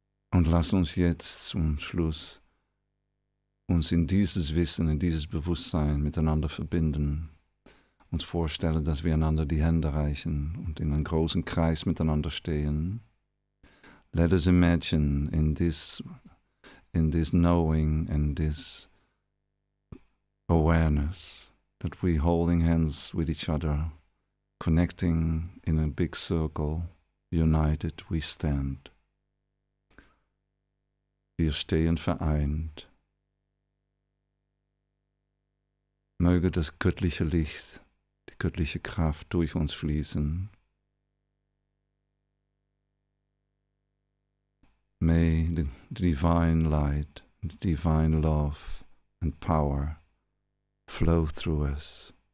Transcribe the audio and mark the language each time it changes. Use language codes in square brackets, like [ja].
[de] Und lass uns jetzt zum Schluss uns in dieses Wissen, in dieses Bewusstsein miteinander verbinden. Uns vorstellen, dass wir einander die Hände reichen und in einem großen Kreis miteinander stehen. [en] Let us imagine in this knowing and this awareness that we're holding hands with each other, connecting in a big circle, united we stand. [de] Wir stehen vereint. Möge das göttliche Licht, die göttliche Kraft durch uns fließen. [en] May the divine light, the divine love and power flow through us.